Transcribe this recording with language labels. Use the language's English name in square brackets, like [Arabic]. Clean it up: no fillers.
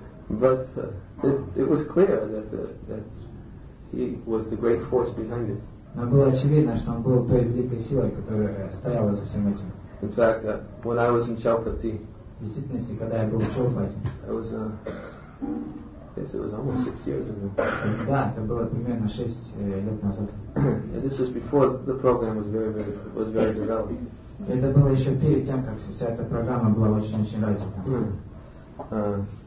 [English] But it was clear that he was the great force behind it. [Russian] Но было очевидно, что он был той великой силой, которая стояла за всем этим. [English] In fact, when I was in Chalpati, [Russian] в действительности, когда я был в Чалпати, [English] I guess it was almost 6 years ago. [Russian] Да, это было примерно 6 лет назад. [English] And this was before the program was very developed. [Russian] Это было еще перед тем, как вся эта программа была очень развита.